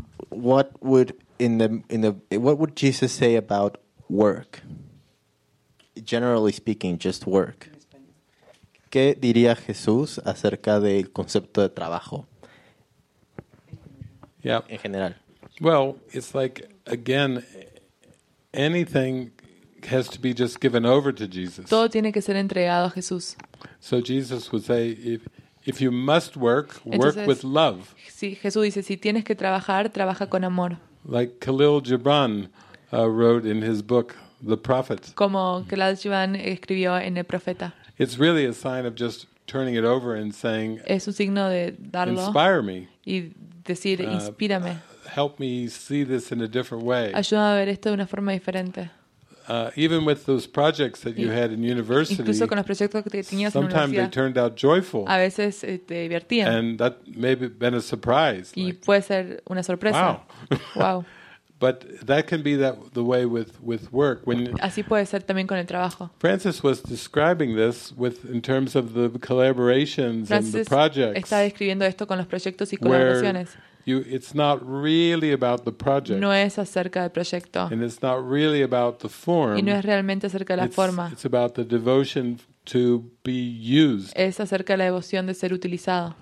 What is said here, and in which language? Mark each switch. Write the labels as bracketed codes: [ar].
[en] What would in the what would Jesus say about work? Generally speaking, just work. [es] ¿Qué diría Jesús acerca del concepto de trabajo? [en] Yeah. [es] En general. [en] Well, it's like again, anything has to be just given over to Jesus. [es] Todo tiene que ser entregado a Jesús. [en] So Jesus would say, if you must work, [es] entonces, [en] work with love. [es] Si Jesús dice, si tienes que trabajar, trabaja con amor. [en] Like Khalil Gibran wrote in his book. The prophet. [es] Como Khalil Gibran escribió en el profeta. [en] It's really a sign of just turning it over and saying. [es] Es un signo de darlo. [en] Inspire me. [es] Y decir, inspírame. [en] Help me see this in a different way. [es] Ayúdame a ver esto de una forma diferente. [en] Even with those projects that you had in university. [es] Incluso con los proyectos que tenías en universidad. [en] Sometimes they turned out joyful. [es] A veces te divertían. [en] And that may have been a surprise. [es] Y like, puede ser una sorpresa. [en] Wow. But that can be that the way with work. When [es] así puede ser también con el trabajo. [en] Francis was describing this with in terms of the collaborations [es] Francis [en] and the projects. [es] Está describiendo esto con los proyectos y colaboraciones. [en] You, it's not really about the project. [es] No es acerca del proyecto. [en] And it's not really about the form. [es] Y no es realmente acerca de la forma. [en] It's about the devotion to be used. [es] Es acerca de la devoción de ser utilizado.